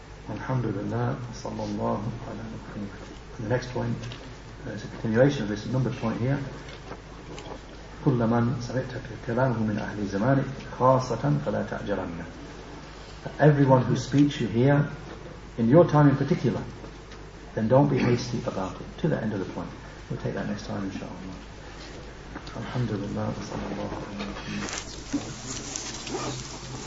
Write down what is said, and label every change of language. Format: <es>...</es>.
<en>Alhamdulillah, sallallahu ala Muhammad. The next point, there's a continuation of this numbered point here.</en> <ar>كل من سمعت كلامه من أهل زمانك خاصة فلا تعجلن.</ar> <en>Everyone whose speech you hear in your time in particular, then don't be hasty about it. To the end of the point. We'll take that next time, inshallah. Alhamdulillah, sallallahu alayhi wa sallam.</en>